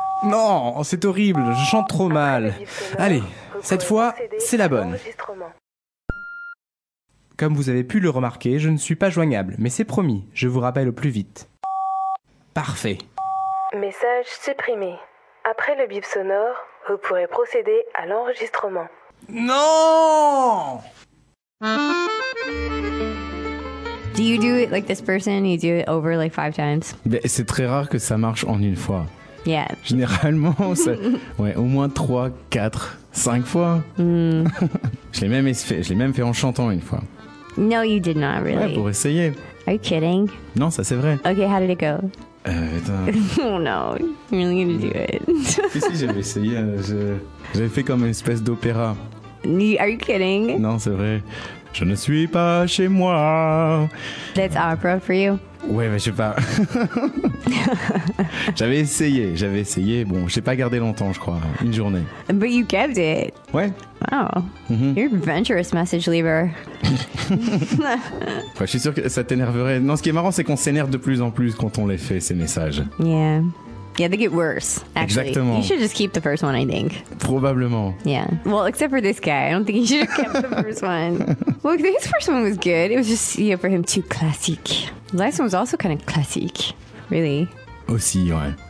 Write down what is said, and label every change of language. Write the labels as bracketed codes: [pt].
[fr] Non, c'est horrible, je chante trop mal. Allez, cette fois, c'est la bonne. Comme vous avez pu le remarquer, je ne suis pas joignable, mais c'est promis, je vous rappelle au plus vite. Parfait. Message supprimé. Après le bip sonore, vous pourrez procéder à l'enregistrement. Non ! [en] Do you do it like this person? You do it over like 5 times? [fr] Mais c'est très rare que ça marche en une fois. [en] Yeah. [fr] Généralement, c'est... ouais, au moins 3, 4, 5 fois. Je l'ai même fait en chantant une fois. [en] No, you did not really. [fr] Ouais, pour essayer. [en] Are you kidding? [fr] Non, ça c'est vrai. [en] Okay, how did it go? Oh no, you're really gonna do it. [fr] Si, j'avais essayé. J'avais fait comme une espèce d'opéra. [en] Are you kidding? [fr] Non, c'est vrai. Je ne suis pas chez moi. [en] That's opera for you? [fr] Ouais, mais je sais pas. J'avais essayé. Bon, je n'ai pas gardé longtemps, je crois. Une journée. [en] But you kept it. [fr] Ouais. [en] Wow. Mm-hmm. You're a venturous message leaver. [fr] Ouais, je suis sûr que ça t'énerverait. Non, ce qui est marrant, c'est qu'on s'énerve de plus en plus quand on les fait, ces messages. [en] Yeah, they get worse, actually. [fr] Exactement. [en] You should just keep the first one, I think. [fr] Probablement. [en] Yeah. Well, except for this guy. I don't think he should have kept the first one. Look, well, his first one was good. It was just, you know, for him too classique. The last one was also kind of classique. Really? [fr] Aussi, ouais.